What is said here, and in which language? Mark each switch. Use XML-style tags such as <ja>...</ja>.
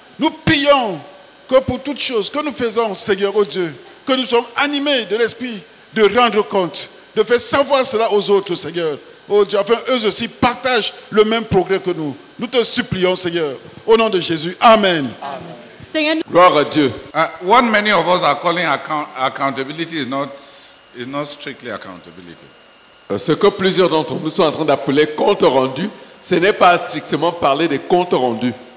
<fr>Nous prions que pour toutes choses que nous faisons, Seigneur, oh Dieu, que nous sommes animés de l'Esprit de rendre compte, de faire savoir cela aux autres, Seigneur, oh Dieu, afin eux aussi partagent le même progrès que nous. Nous te supplions, Seigneur, au nom de Jésus. Amen. Amen. Gloire à Dieu.</fr> <en>What many of us are calling accountability is not strictly accountability.</en> <fr>Ce que plusieurs d'entre nous sont en train d'appeler compte rendu, ce n'est pas strictement parler des comptes rendus.</fr>